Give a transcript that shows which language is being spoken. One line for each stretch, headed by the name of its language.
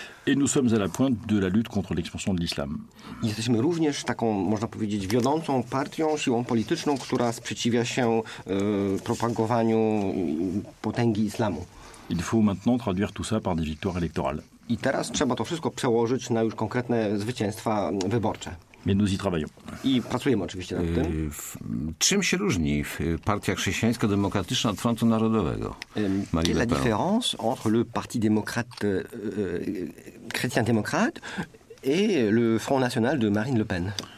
French: Et nous sommes à la pointe de la lutte contre l'expansion de l'islam.
Polish: Jesteśmy również taką, można powiedzieć, wiodącą partią, siłą polityczną, która sprzeciwia się propagowaniu potęgi islamu.
French: Il faut maintenant traduire tout ça par des victoires électorales.
Polish: I teraz trzeba to wszystko przełożyć na już konkretne zwycięstwa wyborcze.
French: Mais nous y travaillons.
Polish: I pracujemy oczywiście nad tym. Czym się różni Partia Chrześcijańsko-Demokratyczna od Frontu Narodowego?
French: Quelle est la différence entre le Parti démocrate chrétien-démocrate et le Front national de Marine Le Pen?